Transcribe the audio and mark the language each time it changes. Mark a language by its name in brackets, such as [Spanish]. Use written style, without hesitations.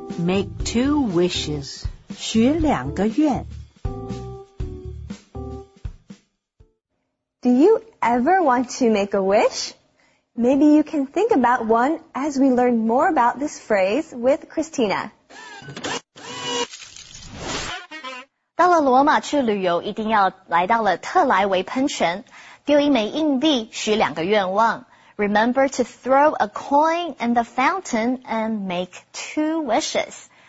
[English] Make two wishes. [Chinese] 许两个愿。 [English] Do you ever want to make a wish? Maybe you can think about one as we learn more about this phrase with Christina. [Chinese] 到了罗马去旅游，一定要来到了特莱维喷泉，丢一枚硬币，许两个愿望。 [English] Remember to throw a coin in the fountain and make two wishes.